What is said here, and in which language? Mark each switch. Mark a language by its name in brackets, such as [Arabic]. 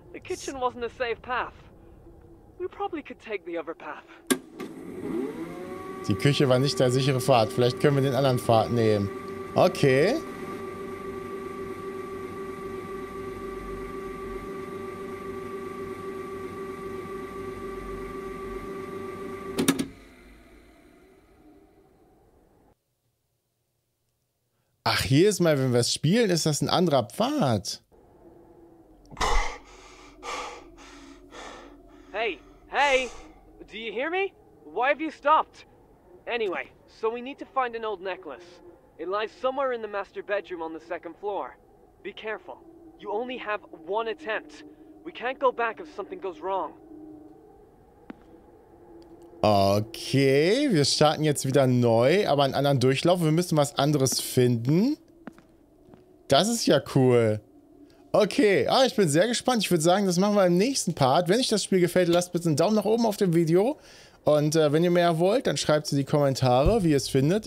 [English] The kitchen wasn't a safe path. We probably could take the other path. [German] Die Küche war nicht der sichere Pfad. Vielleicht können wir den anderen Pfad nehmen. Okay. Ach, hier ist mal, wenn wir es spielen, ist das ein anderer Pfad. [English] Hey, hey, do you hear me? Why have you stopped? Anyway, so we need to find an old necklace. It lies somewhere in the master bedroom on the second floor. Be careful. You only have one attempt. We can't go back if something goes wrong. [German] Okay, wir starten jetzt wieder neu, aber einen anderen Durchlauf. Wir müssen was anderes finden. Das ist ja cool. Okay, ah, ich bin sehr gespannt. Ich würde sagen, das machen wir im nächsten Part. Wenn euch das Spiel gefällt, lasst bitte einen Daumen nach oben auf dem Video. Und wenn ihr mehr wollt, dann schreibt es in die Kommentare, wie ihr es findet.